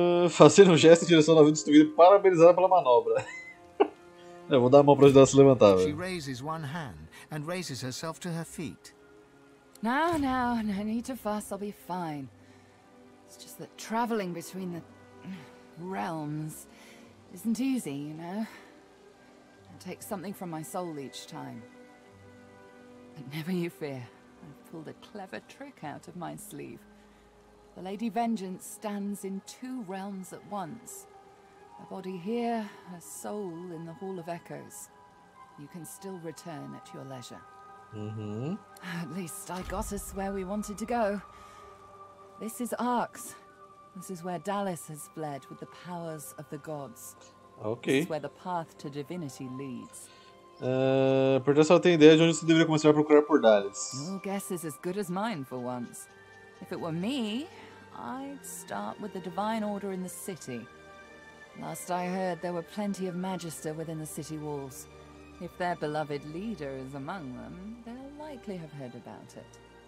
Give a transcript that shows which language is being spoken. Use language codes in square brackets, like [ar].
[pt] Fazendo um gesto em direção ao navio destruído, parabenizada pela manobra. Eu vou dar a mão pra ajudar a se levantar, [en] She raises one hand and raises herself to her feet. No need to fuss, I'll be fine. It's just that traveling between the realms isn't easy, you know? It takes something from my soul each time. But never you fear, I've pulled a clever trick out of my sleeve. The Lady Vengeance stands in two realms at once. A body here, a soul in the Hall of Echoes. You can still return at your leisure. At least I got us where we wanted to go. This is ARX. This is where Dallas has bled with the powers of the gods. This Ok. is where the path to divinity leads. [pt] Perdeu só tem ideia de onde você deveria começar a procurar por Dallas. [en] Your guess is as good as mine for once. If it were me, I'd start with the divine order in the city. Last I heard, there were plenty of magister within the city walls. If their beloved leader is among them, they'll likely have heard about it.